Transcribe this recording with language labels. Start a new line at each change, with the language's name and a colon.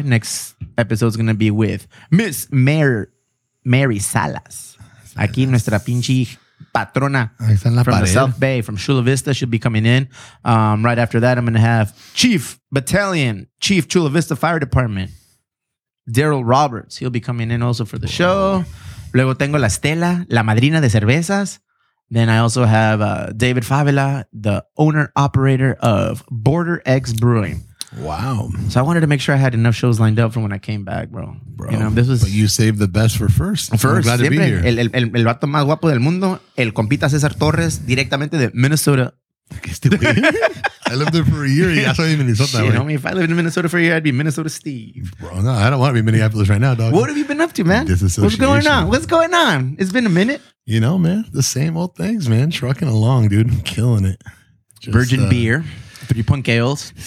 English: Next episode is going to be with Miss Mary Salas.
Spanish: Aquí nuestra pinche patrona
English: from the South Bay, from Chula Vista, should be coming in. Right after that, I'm going to have Chief Battalion, Chief Chula Vista Fire Department, Daryl Roberts. He'll be coming in also for the show.
Spanish: Luego tengo la Estela, la madrina de cervezas.
English: Then I also have David Favela, the owner-operator of Border X Brewing. Wow. So I wanted to make sure I had enough shows lined up for when I came back, bro. Bro, you know, this was, but you saved the best for first. First. I'm glad
Spanish: siempre,
English: to be here.
Spanish: El vato más guapo del mundo, el compita César Torres, directamente de Minnesota.
English: I lived there for a year. Yeah, I saw you in Minnesota. You know me, if I lived in Minnesota for a year, I'd be Minnesota Steve. Bro, no, I don't want to be Minneapolis right now, dog. What have you been up to, man? Disassociation. What's going on? What's going on? It's been a minute. You know, man, the same old things, man. Trucking along, dude. Killing it. Just, virgin beer. Three punk ales.